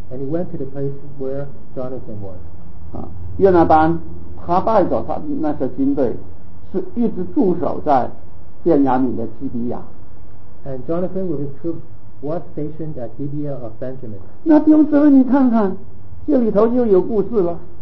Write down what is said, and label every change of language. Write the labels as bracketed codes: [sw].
[en] And he went to the place where Jonathan was。 [zh] 约拿丹他带着他那些军队是一直驻守在便雅悯的基比亚。 [en] And Jonathan with his troops was stationed at Gibeah of Benjamin。 [zh] 那弟兄姊妹你看看，这里头又有故事了。